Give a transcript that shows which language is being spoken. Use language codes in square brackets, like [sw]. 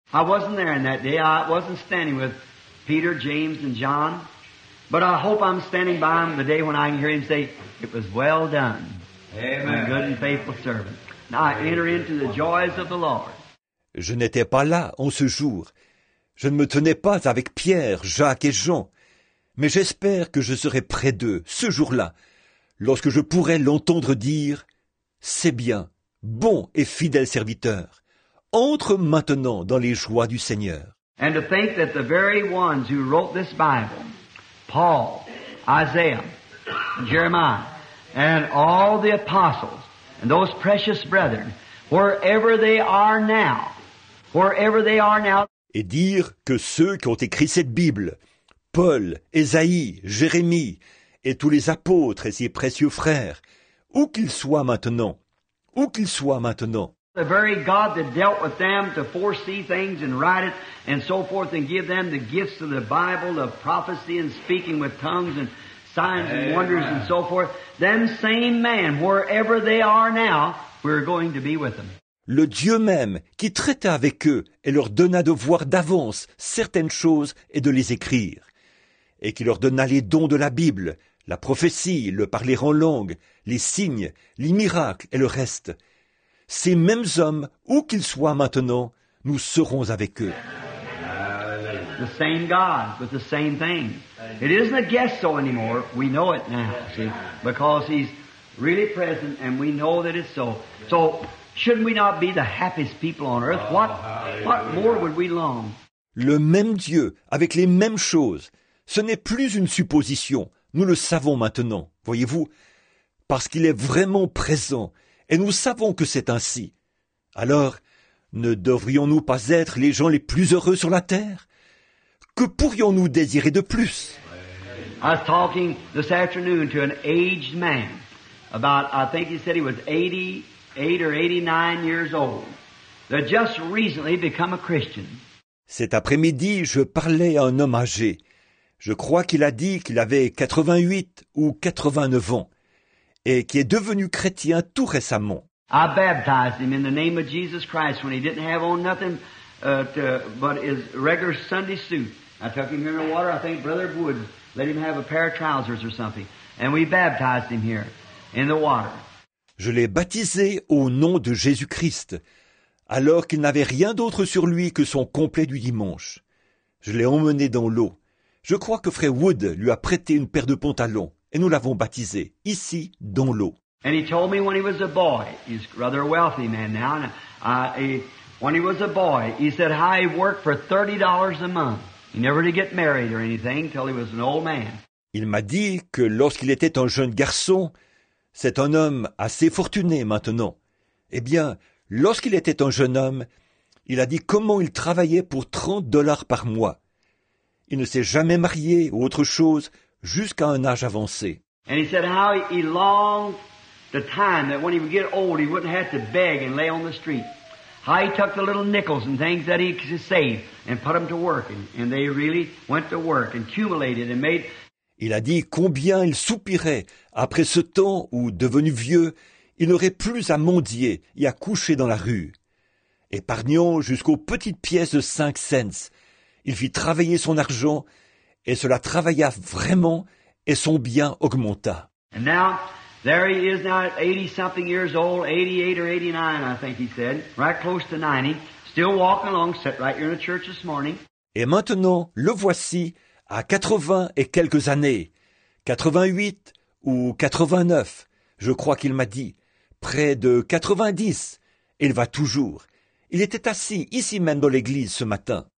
[en] I wasn't there in that day. I wasn't standing with Peter, James and John. But I hope I'm standing by him the day when I can hear him say, it was well done. Amen. Good and faithful servant. Now I enter into the joys of the Lord. [fr] Je n'étais pas là en ce jour. Je ne me tenais pas avec Pierre, Jacques et Jean. Mais j'espère que je serai près d'eux ce jour-là, lorsque je pourrai l'entendre dire, c'est bien, bon et fidèle serviteur. Entre maintenant dans les joies du Seigneur. [en] And to think that the very ones who wrote this Bible, Paul, Isaiah, Jeremiah, and all the apostles, and those precious brethren, wherever they are now, wherever they are now. [fr] Et dire que ceux qui ont écrit cette Bible, Paul, Ésaïe, Jérémie, et tous les apôtres et ses précieux frères, où qu'ils soient maintenant, où qu'ils soient maintenant. [en] The very God that dealt with them to foresee things and write it and so forth and give them the gifts of the Bible, of prophecy and speaking with tongues and signs and wonders and so forth. Them same man, wherever they are now, we're going to be with them. [fr] Le Dieu même qui traita avec eux et leur donna de voir d'avance certaines choses et de les écrire, et qui leur donna les dons de la Bible, la prophétie, le parler en langue, les signes, les miracles et le reste. Ces mêmes hommes, où qu'ils soient maintenant, nous serons avec eux. [en] The same God with the same thing. It isn't a guess so anymore. We know it now, see, because he's really present and we know that it's so. So, shouldn't we not be the happiest people on earth? What more would we long? [fr] Le même Dieu, avec les mêmes choses, ce n'est plus une supposition. Nous le savons maintenant, voyez-vous, parce qu'il est vraiment présent et nous savons que c'est ainsi. Alors, ne devrions-nous pas être les gens les plus heureux sur la terre? Que pourrions-nous désirer de plus? [en] I was talking this afternoon to an aged man about, I think he said he was 88 or 89 years old, that just recently become a Christian. [fr] Cet après-midi, je parlais à un homme âgé. Je crois qu'il a dit qu'il avait 88 ou 89 ans et qui est devenu chrétien tout récemment. [en] I baptized him in the name of Jesus Christ when he didn't have on nothing but his regular Sunday suit. I took him here in the water. I think Brother Wood let him have a pair of trousers or something. And we baptized him here in the water. [fr] Je l'ai baptisé au nom de Jésus-Christ alors qu'il n'avait rien d'autre sur lui que son complet du dimanche. Je l'ai emmené dans l'eau. Je crois que Frère Wood lui a prêté une paire de pantalons et nous l'avons baptisé, ici, dans l'eau. [en] And he told me when he was a boy, he's rather a wealthy man now, and when he was a boy, he said how he worked for $30 a month. He never did get married or anything until he was an old man. [fr] Il m'a dit que lorsqu'il était un jeune garçon, c'est un homme assez fortuné maintenant. Eh bien, lorsqu'il était un jeune homme, il a dit comment il travaillait pour $30 par mois. Il ne s'est jamais marié ou autre chose jusqu'à un âge avancé. [en] And he said how he longed the time that when he would get old, he wouldn't have to beg and lay on the street. How he took the little nickels and things that he saved and put them to work, and they really went to work and accumulated and made. [fr] Il a dit combien il soupirait après ce temps où, devenu vieux, il n'aurait plus à mendier et à coucher dans la rue. Épargnant jusqu'aux petites pièces de 5 cents, il fit travailler son argent et cela travailla vraiment et son bien augmenta. [en] And now, there he is now at 80-something years old, 88 or 89, I think he said, right close to 90, still walking along, sat right here in the church this morning. [fr] Et maintenant, le voici à 80 et quelques années, 88 ou 89, je crois qu'il m'a dit, près de 90, il va toujours. Il était assis ici même dans l'église ce matin.